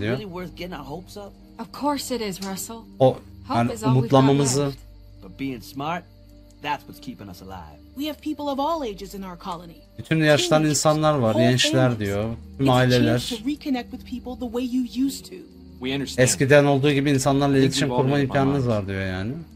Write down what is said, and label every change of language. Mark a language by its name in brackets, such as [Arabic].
[English] Is it really worth getting our hopes up? Of course it is, Russell. [Turkish] O, yani umutlamamızı. [English] But being smart, that's what's keeping us alive. We have people of all ages in our colony. [Turkish] Bütün yaştan insanlar var, gençler diyor, tüm aileler. [English] It's a chance to reconnect with people the way you used to. [Turkish] Eskiden olduğu gibi insanlarla iletişim kurma imkanınız var diyor yani.